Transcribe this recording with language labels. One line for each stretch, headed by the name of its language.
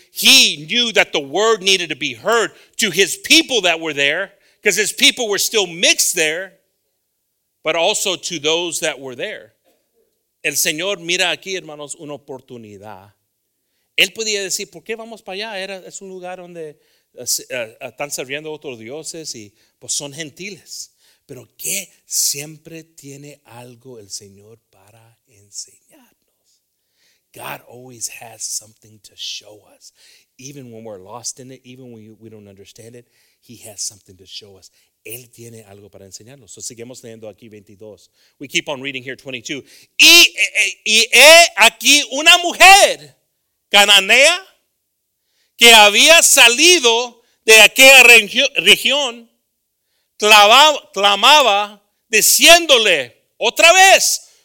English: He knew that the word needed to be heard to his people that were there, because his people were still mixed there, but also to those that were there.
Spanish: El Señor mira aquí, hermanos, una oportunidad. Él podía decir, ¿por qué vamos para allá? Es un lugar donde están sirviendo otros dioses y pues son gentiles. Pero que siempre tiene algo el Señor para enseñarnos.
English: God always has something to show us. Even when we're lost in it, even when we don't understand it, he has something to show us.
Spanish: Él tiene algo para enseñarnos. So seguimos leyendo aquí 22.
English: We keep on reading here 22.
Spanish: Y he aquí una mujer cananea que había salido de aquella región clamaba diciéndole otra vez.